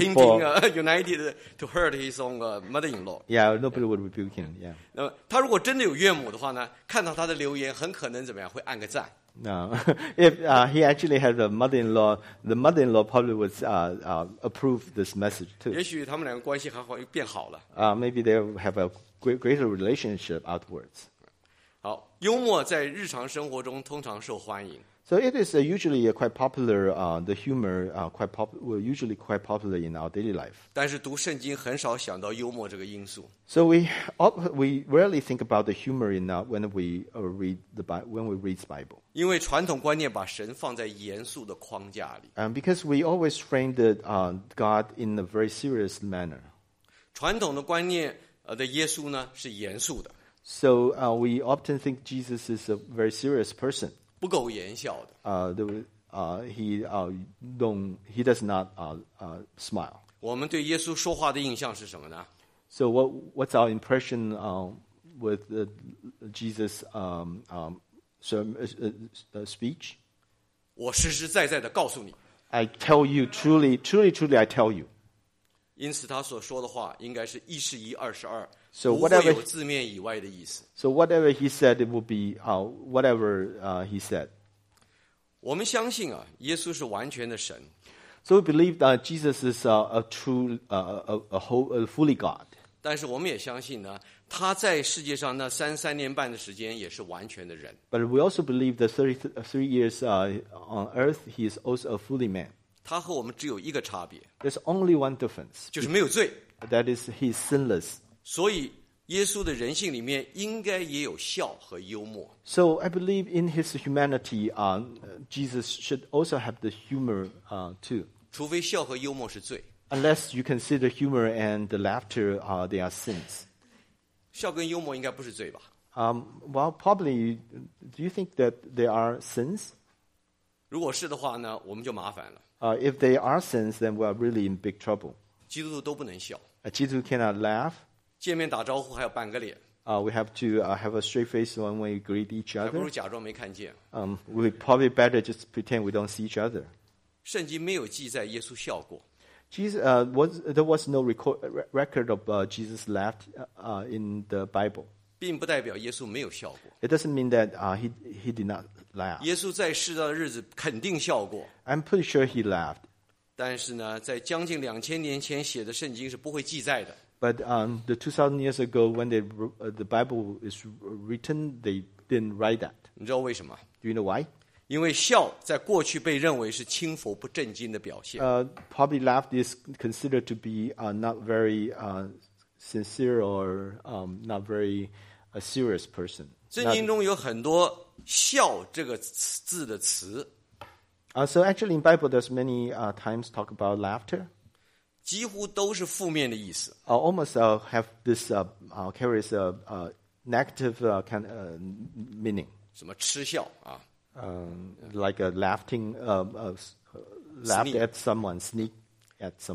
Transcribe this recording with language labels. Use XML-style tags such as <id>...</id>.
<en>hinting, United to hurt his own mother-in-law. Yeah, nobody would rebuke him. Yeah.</en> <zh>那么他如果真的有岳母的话呢，看到他的留言，很可能怎么样？会按个赞。</zh> <en>No, if he actually has a mother-in-law, the mother-in-law probably would approve this message too.</en> <zh>也许他们两个关系还好，又变好了。</zh> <en>Maybe they have a greater relationship afterwards.</en> <zh>好，幽默在日常生活中通常受欢迎。</zh> <en>So it is usually a quite popular, the humor usually quite popular in our daily life.</en> <zh>但是读圣经很少想到幽默这个因素。</zh> <en>So we rarely think about the humor in when we read the Bible.</en> <zh>因为传统观念把神放在严肃的框架里。</zh> <en>And because we always frame the God in a very serious manner.</en> <zh>传统的观念的耶稣呢是严肃的。</zh> <en>So we often think Jesus is a very serious person.</en> <zh>不苟言笑的。</zh> <en>He does not smile.</en> <zh>我们对耶稣说话的印象是什么呢</zh> <en>？So what's our impression with Jesus speech?</en> <zh>我实实在在的告诉你。</zh> <en>I tell you truly, truly, truly, I tell you.</en> <zh>因此，他所说的话应该是一是一，二是二。</zh> <en>So whatever,</en> <zh>不会有字面以外的意思。</zh> <en>So whatever he said, it would be whatever he said.</en> <zh>我们相信啊，耶稣是完全的神。</zh> <en>So we believe that Jesus is a fully God.</en> <zh>但是我们也相信呢，他在世界上那33年半的时间也是完全的人。</zh> <en>But we also believe that 33 years on earth, he is also a fully man.</en> <zh>他和我们只有一个差别。</zh> <en>There's only one difference.</en> <zh>就是没有罪。</zh> <en>That is, he is sinless.</en> <zh>所以耶稣的人性里面应该也有笑和幽默。</zh> <en>So I believe in his humanity, Jesus should also have the humor, too.</en> <zh>除非笑和幽默是罪。</zh> <en>Unless you consider humor and the laughter, they are sins.</en> <zh>笑跟幽默应该不是罪吧？</zh> <en>Probably, do you think that they are sins?</en> <zh>如果是的话呢，我们就麻烦了。</zh> <en>If they are sins, then we are really in big trouble.</en> <zh>基督徒都不能笑。</zh> <en>基督徒 cannot laugh.</en> <zh>见面打招呼还有半个脸。</zh> <en>We have to have a straight face when we greet each other.</en> <zh>还不如假装没看见。</zh> <en>We probably better just pretend we don't see each other.</en> <zh>圣经没有记载耶稣笑过。</zh> <en>There was no record of Jesus laughed in the Bible.</en> <zh>并不代表耶稣没有笑过。</zh> <en>It doesn't mean that he did not laugh.</en> <zh>耶稣在世的日子肯定笑过。</zh> <en>I'm pretty sure he laughed.</en> <zh>但是呢，在将近2000年前写的圣经是不会记载的。</zh> <en>But the 2,000 years ago, when the Bible is written, they didn't write that.</en> <zh>你知道为什么？</zh> <en>Do you know why?</en> <zh>因为笑在过去被认为是轻浮不正经的表现。</zh> <en>Probably laugh is considered to be not very sincere or not very a serious person.</en> <zh>圣经中有很多笑这个字的词。</zh> <en>So actually in Bible there's many times talk about laughter.</en> <zh>几乎都是负面的意思。</zh> <en>Almost have this carries a negative kind of meaning.</en> <zh>什么嗤笑啊。</zh> <en>Like a laughing, laughed at someone, sneak at someone.</en>